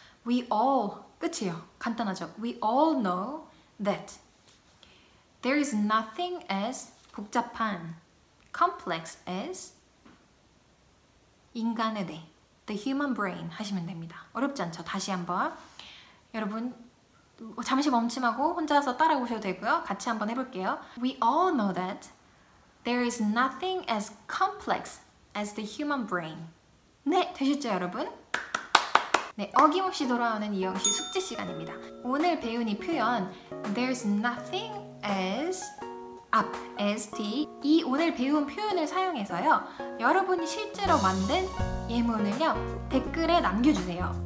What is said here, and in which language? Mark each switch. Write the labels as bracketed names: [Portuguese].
[English] We all, [Korean] 끝이에요. 간단하죠? [English] We all know that there is nothing as [Korean] 복잡한, [English] complex as [Korean] 인간에 대해 [English] The human brain [Korean] 하시면 됩니다. 어렵지 않죠? 다시 한번 여러분 잠시 멈춤하고 혼자서 따라오셔도 되고요. 같이 한번 해볼게요. [English] We all know that there is nothing as complex as the human brain. [Korean] 네, 되셨죠 여러분? 네, 어김없이 돌아오는 이영씨 숙제 시간입니다. 오늘 배운 이 표현 [English] There's nothing as up as the [Korean] 이 오늘 배운 표현을 사용해서요 여러분이 실제로 만든 예문을요 댓글에 남겨주세요.